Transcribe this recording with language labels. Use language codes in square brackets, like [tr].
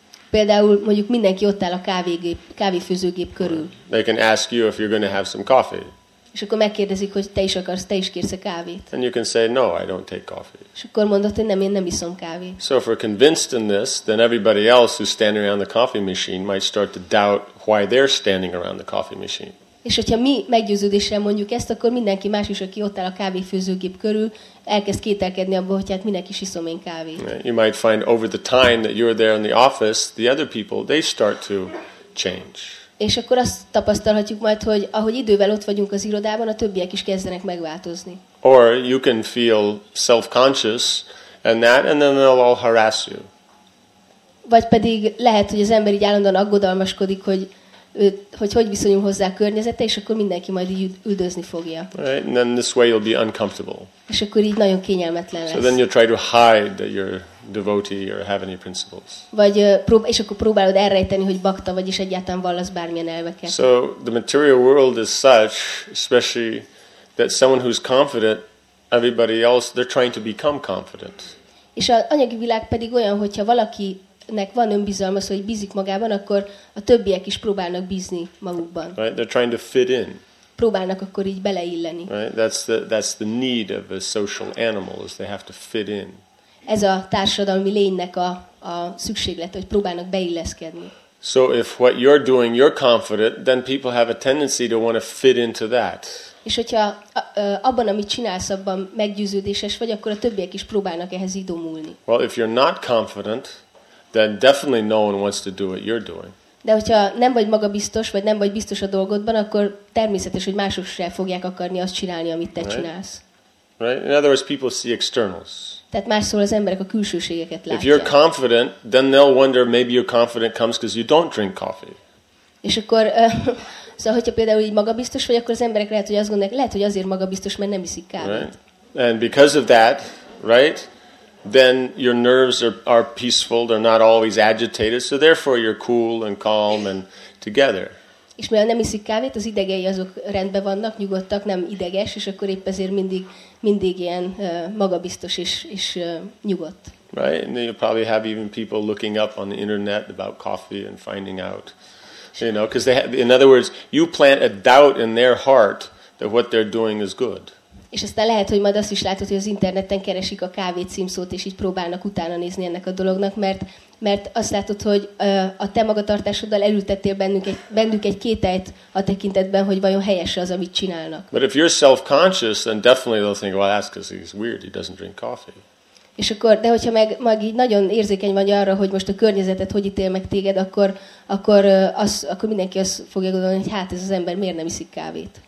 [hu] Például mondjuk mindenki ott áll a kávéfőzőgép körül. [en] Right. They can ask you if you're going to have some coffee. [hu] És akkor megkérdezik, hogy te is akarsz, te is kérsz kávét. [en] And you can say, no, I don't take coffee. [hu] És akkor mondod, hogy nem, én nem iszom kávét. [en] So if we're convinced in this, then everybody else who's standing around the coffee machine might start to doubt why they're standing around the coffee machine. [hu] És hogyha mi meggyőződéssel mondjuk ezt, akkor mindenki más is, aki ott áll a kávéfőzőgép körül, elkezd kételkedni abban, hogy hát minek is iszom én kávét. [en] You might find over the time that you're there in the office, the other people, they start to change. [hu] És akkor azt tapasztalhatjuk majd, hogy ahogy idővel ott vagyunk az irodában, a többiek is kezdenek megváltozni. [en] Or you can feel self-conscious and that, and then they'll all harass you. [hu] Vagy pedig lehet, hogy az ember így állandóan aggodalmaskodik, hogy viszonyul hozzá a környezete, és akkor mindenki majd üldözni fogja. [en] Right, and then this way you'll be uncomfortable. [hu] És akkor így nagyon kényelmetlen lesz. [en] So then you'll try to hide that you're devotee or have any principles. [hu] Vagy és akkor próbálod elrejteni, hogy bakta vagy, és egyáltalán vallasz bármilyen elveket. [en] So the material world is such, especially that someone who's confident, everybody else, they're trying to become confident. [hu] És az anyagi világ pedig olyan, hogyha valakinek van önbizalma, szóval hogy bízik magában, akkor a többiek is próbálnak bízni magukban. [en] Right, they're trying to fit in. [hu] Próbálnak akkor így beleilleni. [en] Right, that's the need of a social animal, is they have to fit in. [hu] Ez a társadalmi lénynek a szükséglete, hogy próbálnak beilleszkedni. [en] So if what you're doing you're confident, then people have a tendency to want to fit into that. [hu] És hogyha abban, amit csinálsz, abban meggyőződéses vagy, akkor a többiek is próbálnak ehhez idomulni. [en] Well, if you're not confident, then definitely no one wants to do what you're doing. [hu] De hogyha nem vagy magabiztos, vagy nem vagy biztos a dolgodban, akkor természetes, hogy mások sem fogják akarni azt csinálni, amit te csinálsz. [en] Right? In other words, people see externals. [hu] Tehát másszor az emberek a külsőségeket látják. [en] If you're confident, then they'll wonder maybe your confidence comes because you don't drink coffee. [hu] És akkor, szóval, hogyha például így magabiztos vagy, akkor az emberek lehet, hogy azt gondolják, lehet, hogy azért magabiztos, mert nem iszik kávét. [en] Right? And because of that, right, then your nerves are peaceful, they're not always agitated, so therefore you're cool and calm and together. [hu] És mivel nem iszik kávét, az idegei azok rendben vannak, nyugodtak, nem ideges, és akkor épp ezért mindig ilyen magabiztos és nyugodt. [en] Right, and you probably have even people looking up on the internet about coffee and finding out, you know, because they have, in other words, you plant a doubt in their heart that what they're doing is good. [hu] És aztán lehet, hogy majd azt is látod, hogy az interneten keresik a kávé címszót, és így próbálnak utána nézni ennek a dolognak, mert azt látod, hogy a te magatartásoddal elültettél bennük egy kételyt a tekintetben, hogy vajon helyes az, amit csinálnak. [en] But if you're self-conscious, then definitely they'll think, well, that's because he's weird, he doesn't drink coffee. [hu] És akkor, de hogyha meg így nagyon érzékeny vagy arra, hogy most a környezetet hogy ítél meg téged, akkor mindenki azt fogja gondolni, hogy hát ez az ember miért nem iszik kávét.